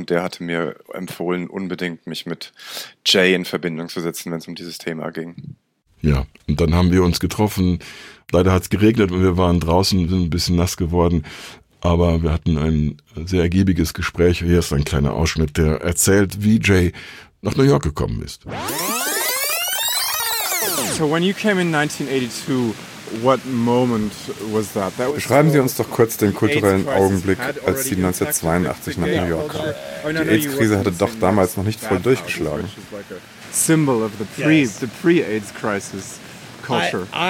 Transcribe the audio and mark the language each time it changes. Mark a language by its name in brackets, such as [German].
[German] Und der hatte mir empfohlen, unbedingt mich mit Jay in Verbindung zu setzen, wenn es um dieses Thema ging. Ja, und dann haben wir uns getroffen. Leider hat es geregnet und wir waren draußen, sind ein bisschen nass geworden. Aber wir hatten ein sehr ergiebiges Gespräch. Hier ist ein kleiner Ausschnitt, der erzählt, wie Jay nach New York gekommen ist. [English] So when you came in 1982, what moment was that? That was [German] Beschreiben Sie uns doch kurz den kulturellen Augenblick, als Sie 1982 nach New York kamen. Die AIDS-Krise hatte doch damals noch nicht voll durchgeschlagen. [English] Symbol of the pre-AIDS crisis culture.